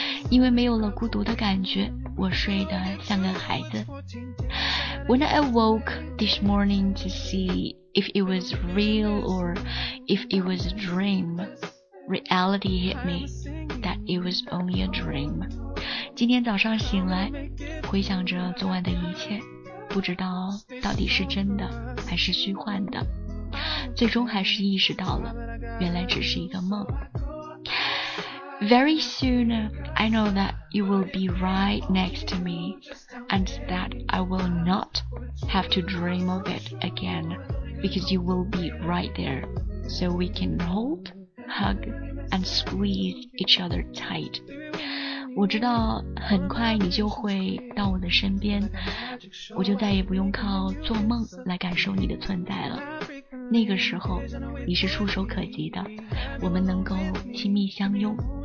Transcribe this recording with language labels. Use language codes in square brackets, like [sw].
[zh] 因为没有了孤独的感觉，我睡得像个孩子。 [en] When I awoke this morning to see if it was real or if it was a dream, reality hit me that it was only a dream. [zh] 今天早上醒来，回想着昨晚的一切，不知道到底是真的还是虚幻的。最终还是意识到了，原来只是一个梦。 [en] Very soon, I know that you will be right next to me, and that I will not have to dream of it again, because you will be right there, so we can hold, hug, and squeeze each other tight. [zh] 我知道很快你就会到我的身边，我就再也不用靠做梦来感受你的存在了。那个时候你是触手可及的，我们能够亲密相拥。